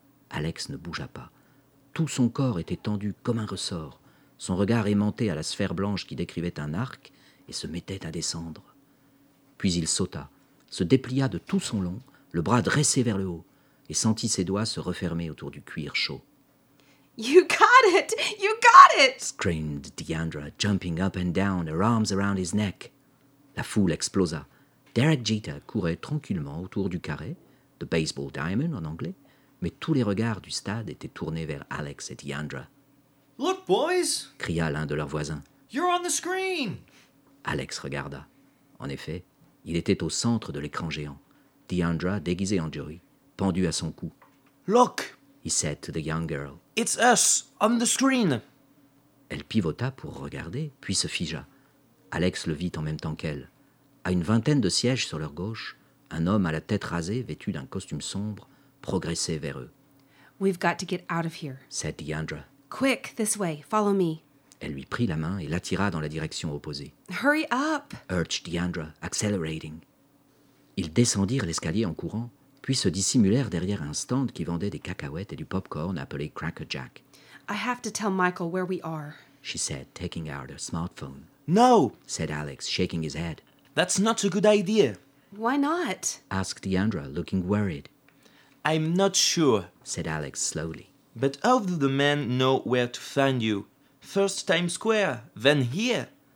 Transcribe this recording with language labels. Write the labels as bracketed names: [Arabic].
[French] Alex ne bougea pas. Tout son corps était tendu comme un ressort, son regard aimanté à la sphère blanche qui décrivait un arc et se mettait à descendre. Puis il sauta, se déplia de tout son long, le bras dressé vers le haut, et sentit ses doigts se refermer autour du cuir chaud. [English] You got it! You got it! Screamed DeAndre, jumping up and down, her arms around his neck. [French] La foule explosa. Derek Jeter courait tranquillement autour du carré, [English] the baseball diamond [French] en anglais, mais tous les regards du stade étaient tournés vers Alex et Deandra. [English] Look, boys! [French] Cria l'un de leurs voisins. [English] You're on the screen! [French] Alex regarda. En effet, il était au centre de l'écran géant. Deandra, déguisée en Joey, pendue à son cou. [English] Look! He said to the young girl. It's us, on the screen! [French] Elle pivota pour regarder, puis se figea. Alex le vit en même temps qu'elle. À une vingtaine de sièges sur leur gauche, un homme à la tête rasée, vêtu d'un costume sombre, progressait vers eux. [English] We've got to get out of here, said Deandra. Quick, this way, follow me. [French] Elle lui prit la main et l'attira dans la direction opposée. [English] Hurry up, urged Deandra, accelerating. [French] Ils descendirent l'escalier en courant, puis se dissimulèrent derrière un stand qui vendait des cacahuètes et du pop-corn appelé Cracker Jack. [English] I have to tell Michael where we are, she said, taking out her smartphone. No, said Alex, shaking his head. That's not a good idea. Why not? Asked Deandra, looking worried. I'm not sure, said Alex slowly. But all of the men know where to find you. First Times Square, then here.